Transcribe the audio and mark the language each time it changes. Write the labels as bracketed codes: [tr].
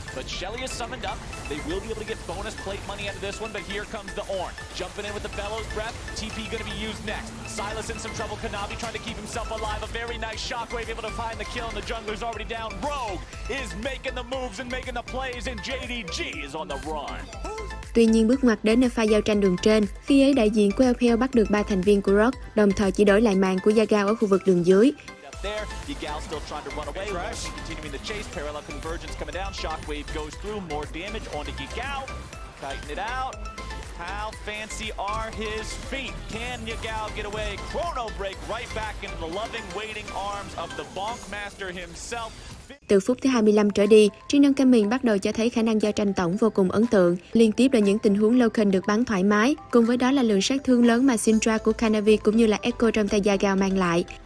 [en] But Shelly is summoned up. They will be able to get bonus plate money out of this one, but here comes the Ornn. Jumping in with the Bellows Breath. TP gonna be used next. Silas in some trouble. Kanabi trying to keep himself alive. A very nice shockwave able to find the kill, and the jungler's already down. Rogue is making the moves and making the plays, and JDG is on the run. [vi] Tuy nhiên, bước ngoặt đến ở pha giao tranh đường trên, khi ấy đại diện của LPL bắt được 3 thành viên của Rogue, đồng thời chỉ đổi lại màn của Yagao ở khu vực đường dưới. [en] There, Yagao still trying to run away. Right. Continuing the chase, parallel convergence coming down. Shockwave goes through, more damage onto Yagao. Tighten it out. How fancy are his feet? Can Yagao get away? Chrono break right back into the loving, waiting arms of the Bonk Master himself. [vi] Từ phút thứ 25 trở đi, Trinh Đông Kamin bắt đầu cho thấy khả năng giao tranh tổng vô cùng ấn tượng. Liên tiếp là những tình huống Loken được bắn thoải mái, cùng với đó là lượng sát thương lớn mà Syndra của Kanavi cũng như là Echo trong tay Yagao mang lại.